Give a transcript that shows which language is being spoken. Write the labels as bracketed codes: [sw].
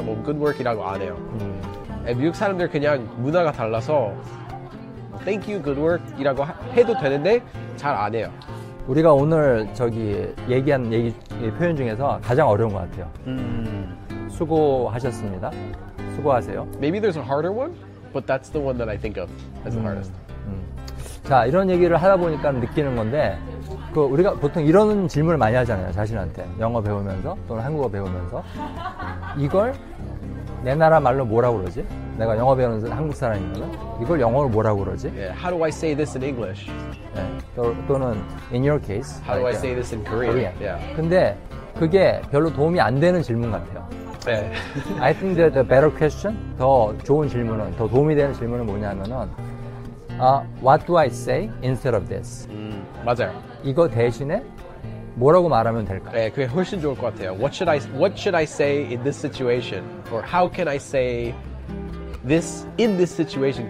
[ko] 뭐 good work이라고 안 해요. 미국 사람들 그냥 문화가 달라서 thank you, good work 이라고 해도 되는데 잘 안 해요. 우리가 오늘 저기 얘기한 표현 중에서 가장 어려운 것 같아요. 수고하셨습니다. 수고하세요. [en] Maybe there's a harder one, but that's the one that I think of as the hardest. [ko] 자, 이런 얘기를 하다 보니까 느끼는 건데 그 우리가 보통 이런 질문을 많이 하잖아요. 자신한테. 영어 배우면서 또는 한국어 배우면서 이걸 내 나라 말로 뭐라고 그러지? 내가 영어 배우는 한국 사람이면 이걸 영어로 뭐라고 그러지? [en] Yeah, how do I say this in English? 네, 또는 in your case. How do I say this in Korean? Korean. Yeah. [ko] 근데 그게 별로 도움이 안 되는 질문 같아요. [en] Yeah. I think that the better question, 더 좋은 질문은, 더 도움이 되는 질문은 뭐냐면은 what do I say instead of this? [ko] 맞아요. 이거 대신에 뭐라고 말하면 될까? 네, 그게 훨씬 좋을 것 같아요. [en] What should I say in this situation? Or how can I say this in this situation?